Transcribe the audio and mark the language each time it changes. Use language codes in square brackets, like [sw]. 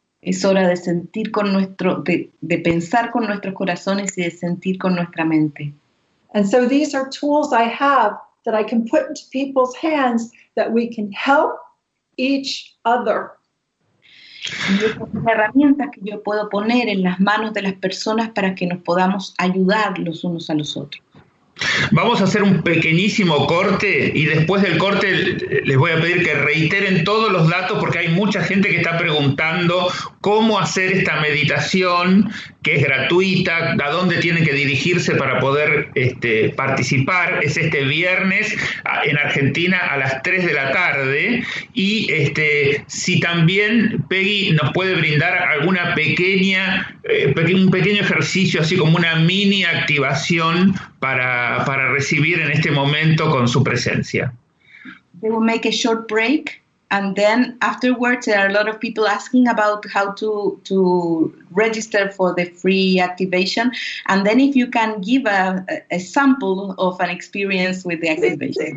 [es] Es hora de sentir con nuestro, de pensar con nuestros corazones y de sentir con nuestra mente. [en] And so these are tools I have that I can put into people's hands that we can help each other. [es] Y estas herramientas que yo puedo poner en las manos de las personas para que nos podamos ayudar los unos a los otros. Vamos a hacer un pequeñísimo corte y después del corte les voy a pedir que reiteren todos los datos porque hay mucha gente que está preguntando cómo hacer esta meditación que es gratuita, a dónde tienen que dirigirse para poder participar. Es este viernes en Argentina a las 3 de la tarde y si también Peggy nos puede brindar alguna pequeña un pequeño ejercicio así como una mini activación para recibir en este momento con su presencia. [en] We will make a short break And then afterwards, there are a lot of people asking about how to register for the free activation. And then if you can give a sample of an experience with the activation.